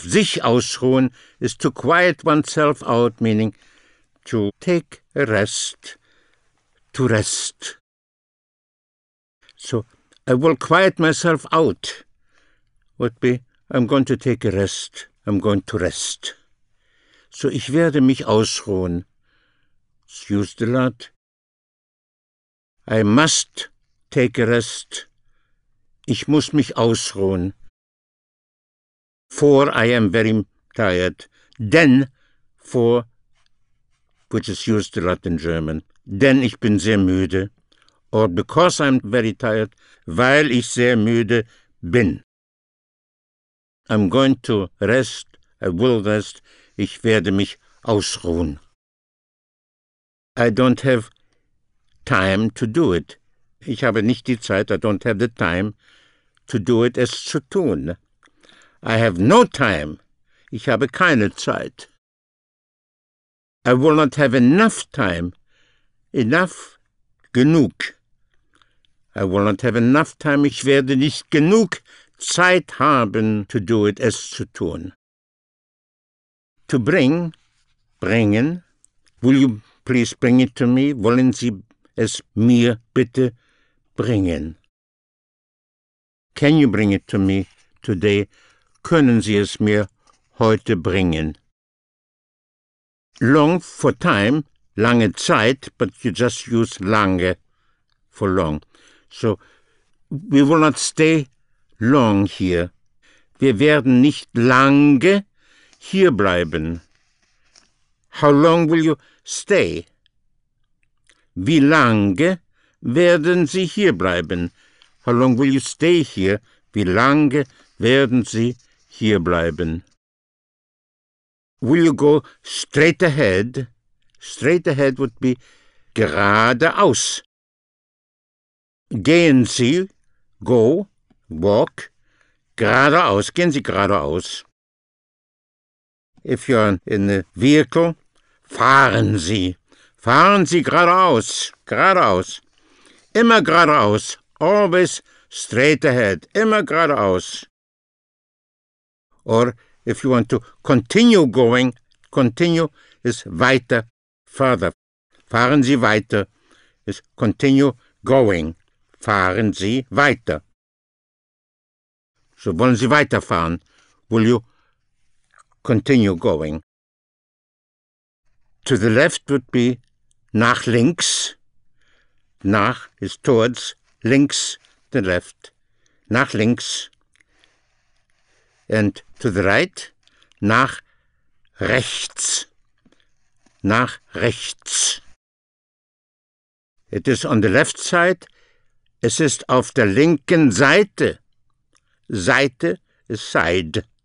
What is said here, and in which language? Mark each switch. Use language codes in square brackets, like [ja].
[de] Sich ausruhen [en] is to quiet oneself out, meaning to take a rest, to rest. So, I will quiet myself out would be, I'm going to take a rest, I'm going to rest. [de] So, ich werde mich ausruhen. [en] It's used a lot. I must take a rest. [de] Ich muss mich ausruhen. [en] For I am very tired. Denn, for, which is used a lot in German. [de] Denn ich bin sehr müde. [en] Or because I'm very tired. [de] Weil ich sehr müde bin. [en] I'm going to rest. I will rest. [de] Ich werde mich ausruhen. [en] I don't have time to do it. [de] Ich habe nicht die Zeit, [en] I don't have the time to do it, [de] es zu tun. [en] I have no time. [de] Ich habe keine Zeit. [en] I will not have enough time. Enough, genug. I will not have enough time. [de] Ich werde nicht genug Zeit haben, [en] to do it, [de] es zu tun. [en] To bring, bringen. Will you please bring it to me? [de] Wollen Sie es mir bitte bringen? [en] Can you bring it to me today? [de] Können Sie es mir heute bringen? [en] Long for time, [de] lange Zeit, [en] but you just use lange for long. So, we will not stay long here. [de] Wir werden nicht lange hier bleiben. [en] How long will you stay? [de] Wie lange werden Sie hier bleiben? [en] How long will you stay here? [de] Wie lange werden Sie hier bleiben? [en] Will you go straight ahead? Straight ahead would be geradeaus. [de] Gehen Sie, [en] go, walk, [de] geradeaus. Gehen Sie geradeaus. [en] If you're in a vehicle, [de] fahren Sie. Fahren Sie geradeaus. Geradeaus. Immer geradeaus. [en] Always straight ahead. [de] Immer geradeaus. [en] Or if you want to continue going, continue is weiter, further. [de] Fahren Sie weiter [en] is continue going. [de] Fahren Sie weiter. So wollen Sie weiterfahren? [en] Will you continue going? To the left would be [de] nach links. [en] Nach is towards, links, the left. [de] Nach links. [en] And to the right, [de] nach rechts. Nach rechts. [en] It is on the left side. [de] Es ist auf der linken Seite. Seite is side.